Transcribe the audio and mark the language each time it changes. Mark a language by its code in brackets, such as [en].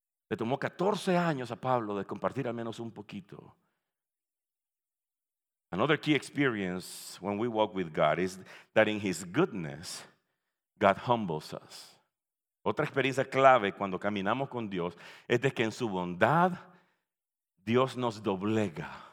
[es] Le tomó 14 años a Pablo de compartir al menos un poquito. [en] Another key experience when we walk with God is that in His goodness, God humbles us. [es] Otra experiencia clave cuando caminamos con Dios es de que en su bondad, Dios nos doblega.